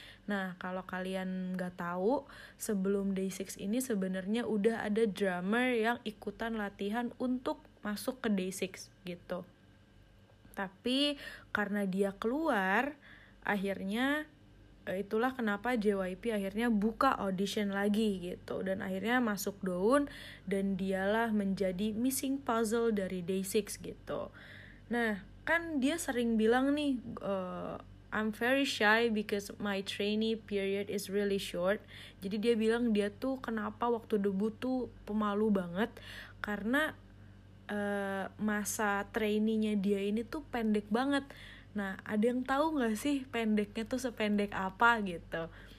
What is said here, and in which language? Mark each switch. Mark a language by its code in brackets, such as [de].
[id] Nah, kalau kalian nggak tahu, sebelum Day 6 ini sebenarnya udah ada drummer yang ikutan latihan untuk masuk ke Day 6 gitu. Tapi karena dia keluar, akhirnya itulah kenapa JYP akhirnya buka audition lagi gitu. Dan akhirnya masuk Dowoon, dan dialah menjadi missing puzzle dari Day 6 gitu. Nah, kan dia sering bilang nih, [en] I'm very shy because my trainee period is really short. [id] Jadi dia bilang dia tuh kenapa waktu debut tuh pemalu banget, karena masa trainee-nya dia ini tuh pendek banget. Nah, ada yang tahu gak sih pendeknya tuh sependek apa gitu?